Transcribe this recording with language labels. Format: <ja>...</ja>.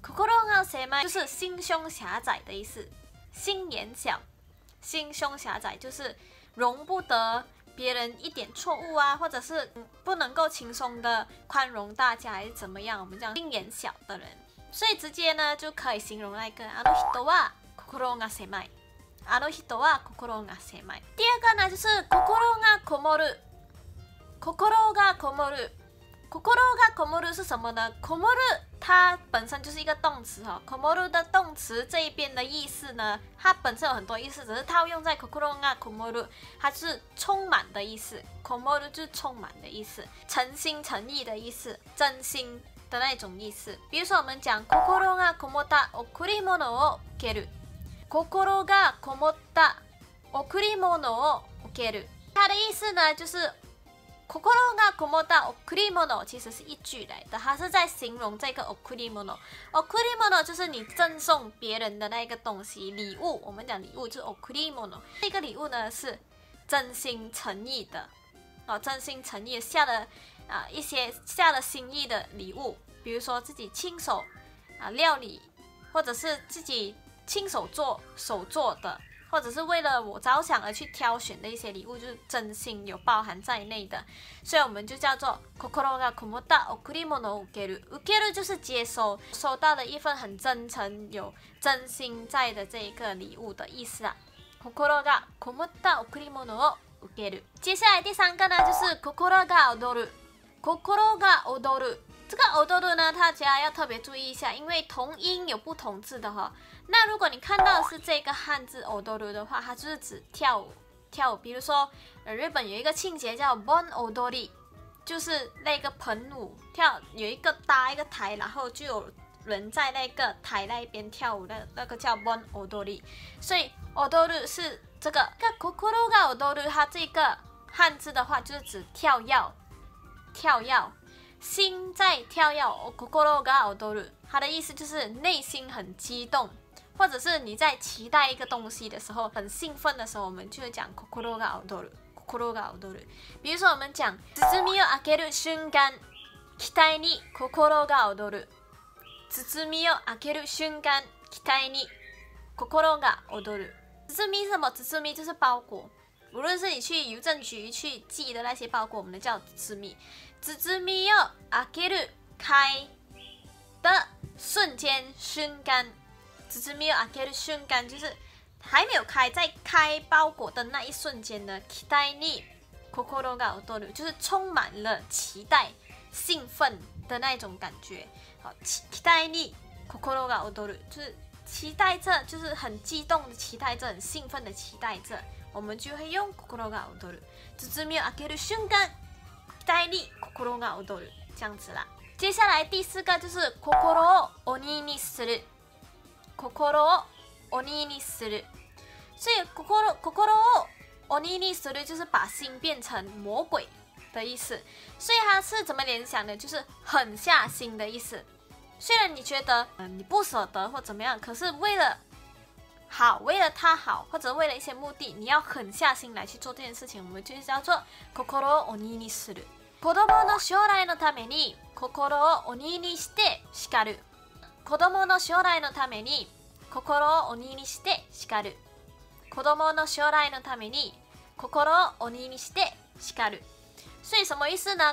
<ja>心が狭い</ja> <zh>就是心胸狭窄的意思，心眼小，心胸狭窄就是容不得别人一点错误啊，或者是不能够轻松的宽容大家还是怎么样。我们讲心眼小的人，所以直接呢就可以形容那个</zh> <ja>あの人は心が狭い。あの人は心が狭い。</ja> <zh>第二个呢就是</zh> <ja>心がこもる。心がこもる。心がこもる</ja> <zh>是什么呢？こもる它本身就是一个动词哦。こもる的动词这一边的意思呢，它本身有很多意思，只是它用在</zh> <ja>心がこもる，</ja> <zh>它是充满的意思。こもる就是充满的意思，诚心诚意的意思，真心的那种意思。比如说我们讲</zh> <ja>心がこもった贈り物を受ける。心がこもった贈り物を受ける。</ja> <zh>它的意思呢，就是</zh> <ja>心がこもった贈り物，</ja> <zh>其实是一句来的，它是在形容这个贈り物。贈り物就是你赠送别人的那个东西，礼物。我们讲礼物就是贈り物。这个礼物呢是真心诚意的，哦，真心诚意下的啊，一些下的心意的礼物，比如说自己亲手啊料理，或者是自己亲手做手做的，或者是为了我着想而去挑选的一些礼物，就是真心有包含在内的，所以我们就叫做</zh> <ja>心がこもった贈り物を受ける。</ja> <zh>受ける就是接收，收到了一份很真诚有真心在的这一个礼物的意思啊。</zh> <ja>心がこもった贈り物を受ける。</ja> <zh>接下来第三个呢就是</zh> <ja>心が踊る。心が踊る。</ja> <zh>这个踊る呢，大家要特别注意一下，因为同音有不同字的哈。那如果你看到的是这个汉字踊る的话，它就是指跳舞，跳舞。比如说，日本有一个庆节叫盆踊り，就是那个盆舞跳，有一个搭一个台，然后就有人在那个台那边跳舞的，那个叫盆踊り。所以踊る是这个。那心が踊る，它这个汉字的话就是指跳跃，跳跃。心在跳跃，心が踊る，它的意思就是内心很激动，或者是你在期待一个东西的时候，很兴奋的时候，我们就会讲</zh> <ja>心が踊る，心が踊る。</ja> <zh>比如说我们讲</zh> <ja>包みを開ける瞬間，期待に心が踊る，包みを開ける瞬間，期待に心が踊る。</ja> <zh>包み什么？包み就是包裹，无论是你去邮政局去寄的那些包裹，我们都叫包み。包みを開ける開的瞬间瞬間，</zh> <ja>包みを開ける瞬間</ja> <zh>就是还没有开，在开包裹的那一瞬间呢，</zh> <ja>期待に心が踊る</ja> <zh>就是充满了期待兴奋的那种感觉。好，</zh> <ja>期待に心が踊る</ja> <zh>就是期待着，就是很激动的期待着，很兴奋的期待着，我们就会用心が踊る。</zh> <ja>包みを開ける瞬間期待に心が踊る</ja> <zh>这样子啦。接下来第四个就是</zh> <ja>心を鬼にする。心を鬼にする。</ja> <zh>所以</zh> <ja>心を鬼にする</ja> <zh>就是把心变成魔鬼的意思，所以它是怎么联想的，就是狠下心的意思。虽然你觉得你不舍得或怎么样，可是为了好，为了他好，或者为了一些目的，你要狠下心来去做这件事情，我们就叫做</zh> <ja>心を鬼にする。子供の将来のために心を鬼にして叱る。子供の将来のために心を鬼にして叱る。子供の将来のために心を鬼にして叱る。</ja> <zh>所以什么意思呢？</zh>